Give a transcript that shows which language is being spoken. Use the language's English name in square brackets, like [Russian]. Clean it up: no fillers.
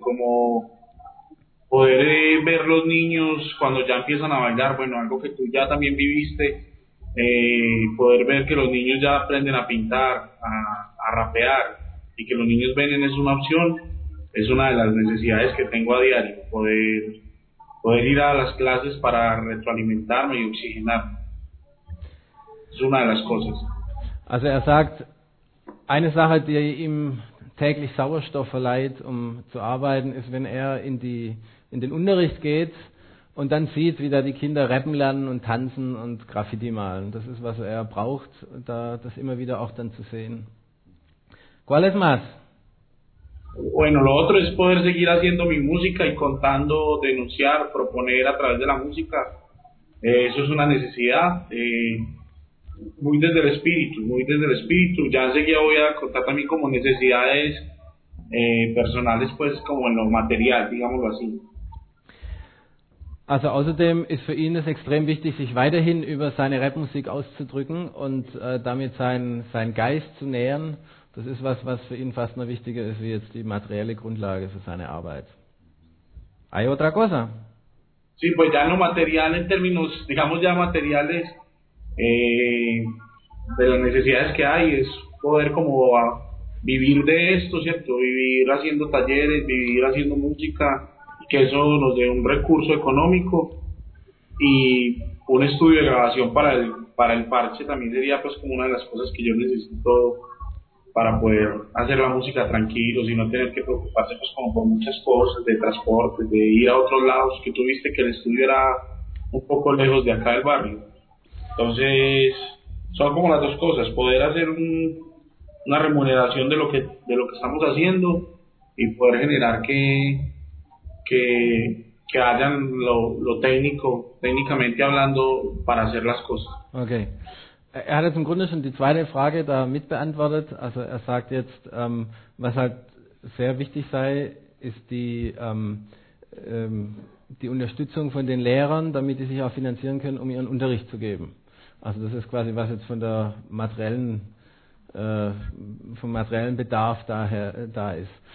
[Spanish] Como poder ver los niños cuando ya empiezan a bailar, bueno, algo que tú ya también viviste, poder ver que los niños ya aprenden a pintar, a rapear, y que los niños ven en eso una opción, es una de las necesidades que tengo a diario, poder ir a las clases para retroalimentarme y oxigenarme. Es una de las cosas. [German] Also er sagt, eine Sache, die ihm täglich Sauerstoff verleiht, um zu arbeiten, ist, wenn er in den Unterricht geht und dann sieht, wie da die Kinder rappen lernen und tanzen und Graffiti malen. Das ist, was er braucht, da das immer wieder auch dann zu sehen. [Spanish] ¿Cuál es más? Bueno, lo otro es poder seguir haciendo mi música y contando, denunciar, proponer a través de la música. Eso es una necesidad. Muy desde el espíritu, muy desde el espíritu. Ya enseguida voy a contar también como necesidades personales, pues como en lo material, digámoslo así. [German] Also außerdem ist für ihn es extrem wichtig, sich weiterhin über seine Rapmusik auszudrücken und damit seinen Geist zu nähren. Das ist was für ihn fast noch wichtiger ist, wie jetzt die materielle Grundlage für seine Arbeit. [Spanish] ¿Hay otra cosa? Sí, pues ya en lo material, en términos, digamos ya materiales, de las necesidades que hay es poder como vivir de esto, ¿cierto? Vivir haciendo talleres, vivir haciendo música, que eso nos dé un recurso económico y un estudio de grabación para el parche también sería pues como una de las cosas que yo necesito para poder hacer la música tranquilo y no tener que preocuparse pues como por muchas cosas de transporte, de ir a otros lados, que tuviste que el estudio era un poco lejos de acá del barrio. Entonces, son como las dos cosas, poder hacer una remuneración de lo que estamos haciendo y poder generar que hayan lo técnico, técnicamente hablando, para hacer las cosas. [English] Okay. [German] Er hat jetzt im Grunde schon die zweite Frage da mit beantwortet. Also er sagt jetzt, was halt sehr wichtig sei, ist die Unterstützung von den Lehrern, damit die sich auch finanzieren können, um ihren Unterricht zu geben. Also das ist quasi, was jetzt von der materiellen vom materiellen Bedarf daher da ist.